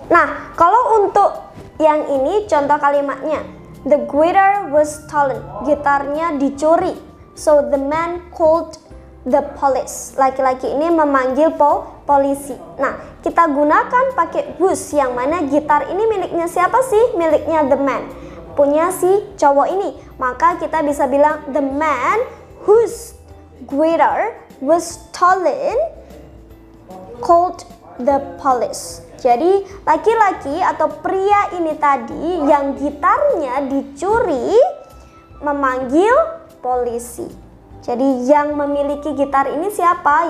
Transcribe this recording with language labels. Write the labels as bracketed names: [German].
[Indonesian] Nah, kalau untuk yang ini contoh kalimatnya, [English] the guitar was stolen, [Indonesian] gitarnya dicuri. [English] So the man called the police, [Indonesian] laki-laki ini memanggil polisi. Nah, kita gunakan pakai was, yang mana gitar ini miliknya siapa sih? Miliknya [English] the man, [Indonesian] punya si cowok ini. [English] Maka kita bisa bilang the man whose guitar was stolen called the police. [Indonesian] Jadi laki-laki atau pria ini tadi yang gitarnya dicuri memanggil polisi. Jadi yang memiliki gitar ini siapa?